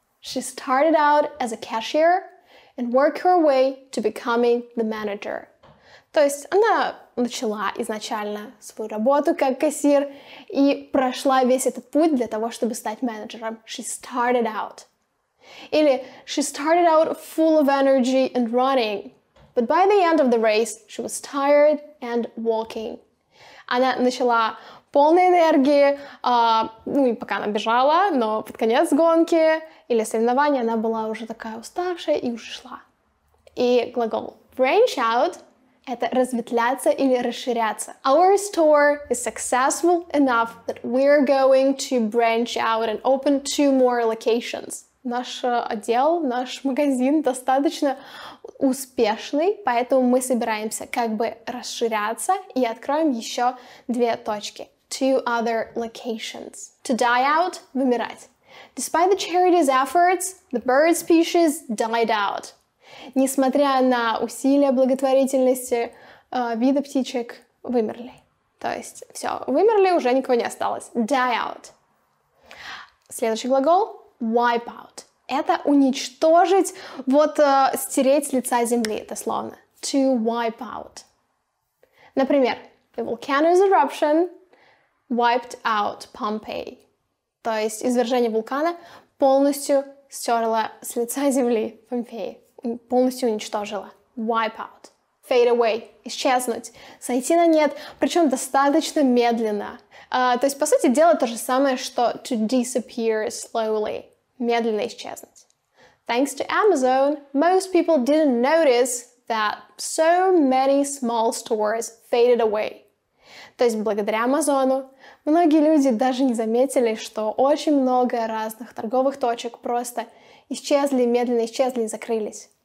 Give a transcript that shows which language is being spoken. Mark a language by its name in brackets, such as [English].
[English] She started out as a cashier and work her way to becoming the manager. [Russian] То есть она начала изначально свою работу как кассир и прошла весь этот путь для того, чтобы стать менеджером. [English] She started out. [Russian] Или [English] she started out full of energy and running, but by the end of the race she was tired and walking. [Russian] Она начала полной энергии, ну и пока она бежала, но под конец гонки или соревнования она была уже такая уставшая и ушла. И глагол branch out — это разветвляться или расширяться. [English] Our store is successful enough that we're going to branch out and open two more locations. [Russian] Наш отдел, наш магазин достаточно успешный, поэтому мы собираемся как бы расширяться и откроем еще две точки. [English] Two other locations. To die out — [Russian] вымирать. [English] Despite the charity's efforts, the bird species died out. [Russian] Несмотря на усилия благотворительности, виды птичек вымерли. То есть, все, вымерли, уже никого не осталось. [English] Die out. [Russian] Следующий глагол [English] — wipe out. [Russian] Это уничтожить, вот стереть с лица земли, дословно. [English] To wipe out. [Russian] Например, [English] the volcano's eruption wiped out Pompeii. [Russian] То есть извержение вулкана полностью стерло с лица земли Помпеи, полностью уничтожило. [English] Wipe out. Fade away. [Russian] Исчезнуть. Сойти на нет, причем достаточно медленно. То есть, по сути, делать то же самое, что [English] to disappear slowly. [Russian] Медленно исчезнуть. [English] Thanks to Amazon, most people didn't notice that so many small stores faded away. [Russian] То есть, благодаря Амазону, многие люди даже не заметили, что очень много разных торговых точек просто исчезли, медленно исчезли и закрылись.